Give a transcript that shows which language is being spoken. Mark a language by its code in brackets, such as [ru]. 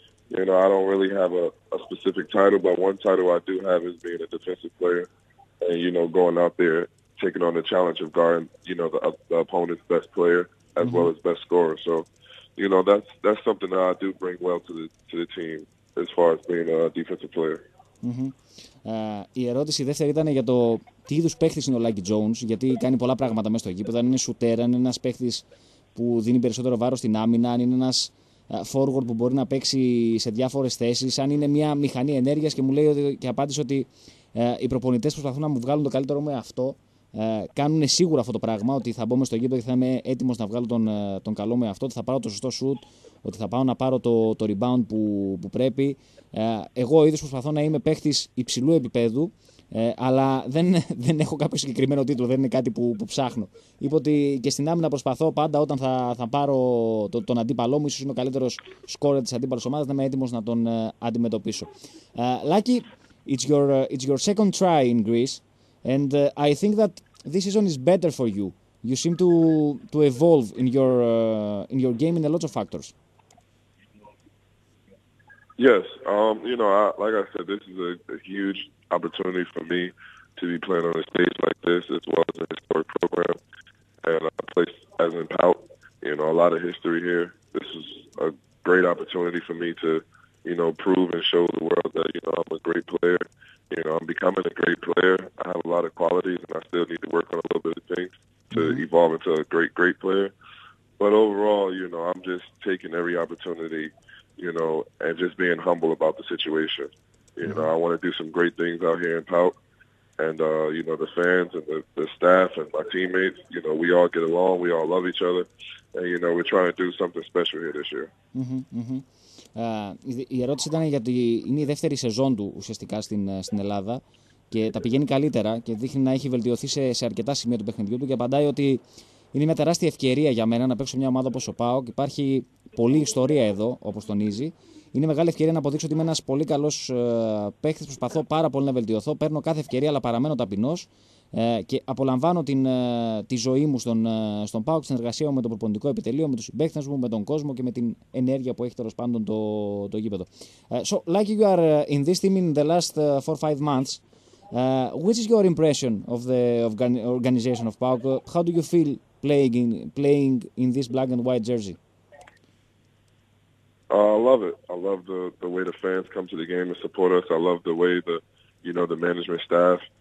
[en] You know, I don't really have a specific title, but one title I do have is being a defensive player and, you know, going out there, taking on the challenge of guarding, you know, the opponent's best player as well as best scorer. So, you know, that's something that I do bring well to the team as far as being a defensive player. [el] Η ερώτηση δεύτερη ήταν για το τι είδους παίχτης είναι ο Λάκι Τζόουνς, γιατί κάνει πολλά πράγματα μέσα στο γήπεδο. Αν είναι σουτέρ, αν είναι ένας παίχτης που δίνει περισσότερο βάρος στην άμυνα, αν είναι ένας forward που μπορεί να παίξει σε διάφορες θέσεις, αν είναι μια μηχανή ενέργειας. Και μου λέει ότι, και απάντησε ότι οι προπονητές προσπαθούν να μου βγάλουν το καλύτερο με αυτό. Κάνουν σίγουρα αυτό το πράγμα, ότι θα μπω στο γήπεδο και θα είμαι έτοιμος να βγάλω τον καλό με αυτό, ότι θα πάρω το σωστό shoot, ότι θα πάω να πάρω το rebound που πρέπει. Εγώ ο ίδιος προσπαθώ να είμαι παίχτης υψηλού επίπεδου, αλλά δεν έχω κάποιο συγκεκριμένο τίτλο, δεν είναι κάτι που ψάχνω. Είπε ότι και στην άμυνα προσπαθώ πάντα όταν θα πάρω τον αντίπαλό μου, ίσως είναι ο καλύτερος σκόρερ της αντίπαλης ομάδας, να είμαι έτοιμος να τον αντιμετωπίσω. [en] Lucky, it's your second try in Greece. And I think that this season is better for you. You seem to evolve in your game in a lot of factors. Yes, you know, like I said, this is a huge opportunity for me to be playing on a stage like this, as well as a historic program and a place as in Pout. You know, a lot of history here. This is a great opportunity for me to, you know, prove and show the world that, you know, I'm a great player. You know, I'm becoming a great player. I have a lot of qualities, and I still need to work on a little bit of things to evolve into a great, great player. But overall, you know, I'm just taking every opportunity, you know, and just being humble about the situation. You know, I want to do some great things out here in Pout. And, you know, the fans and the staff and my teammates, you know, we all get along. We all love each other. And, you know, we're trying to do something special here this year. [el] Η ερώτηση ήταν γιατί είναι η δεύτερη σεζόν του ουσιαστικά στην Ελλάδα και τα πηγαίνει καλύτερα και δείχνει να έχει βελτιωθεί σε αρκετά σημεία του παιχνιδιού του, και απαντάει ότι είναι μια τεράστια ευκαιρία για μένα να παίξω μια ομάδα όπως ο ΠΑΟΚ. Υπάρχει πολλή ιστορία εδώ, όπως τονίζει. Είναι μεγάλη ευκαιρία να αποδείξω ότι είμαι ένας πολύ καλός παίχτης. Προσπαθώ πάρα πολύ να βελτιωθώ. Παίρνω κάθε ευκαιρία, αλλά παραμένω ταπεινός και απολαμβάνω τη ζωή μου στον ΠΑΟΚ, στην εργασία μου με το προπονητικό επιτελείο, με τους συμπαίκτες μου, με τον κόσμο και με την ενέργεια που έχει τέλος πάντων το γήπεδο. [en] So, like you are in this team in the last 4-5 months, which is your impression of the organization of ΠΑΟΚ? How do you feel playing in this black and white jersey? I love it. I love the way the fans come to the game and support us. I love the way the, you know, the management staff